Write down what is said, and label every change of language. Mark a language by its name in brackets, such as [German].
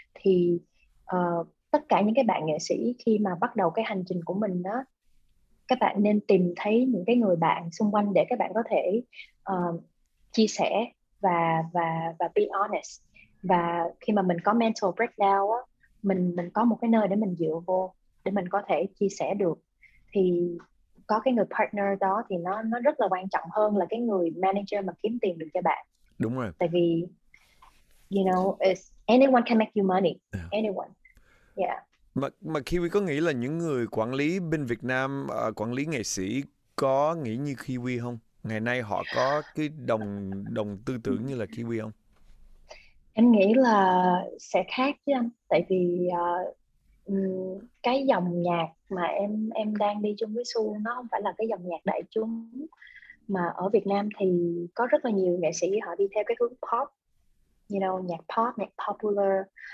[Vietnamese] Thì tất cả những cái bạn nghệ sĩ khi mà bắt đầu cái hành trình của mình đó, các bạn nên tìm thấy những cái người bạn xung quanh để các bạn có thể chia sẻ và [English] be honest. [Vietnamese] Và khi mà mình có mental breakdown á, mình có một cái nơi để mình dựa vô, để mình có thể chia sẻ được. Thì có cái người partner đó thì nó rất là quan trọng hơn là cái người manager mà kiếm tiền được cho bạn. Đúng rồi. Tại vì, [English] you know, it's, anyone can make you money. Yeah. Anyone. Yeah. [Vietnamese] Mà Kiwi có nghĩ là những người quản lý bên Việt Nam, quản lý nghệ sĩ có nghĩ như Kiwi không? Ngày nay họ có cái đồng tư tưởng như là Kiwi không? Em nghĩ là sẽ khác chứ anh. Tại vì cái dòng nhạc mà em đang đi chung với Xu nó không phải là cái dòng nhạc đại chúng, mà ở Việt Nam thì có rất là nhiều nghệ sĩ họ đi theo cái hướng pop, nhạc pop, nhạc popular.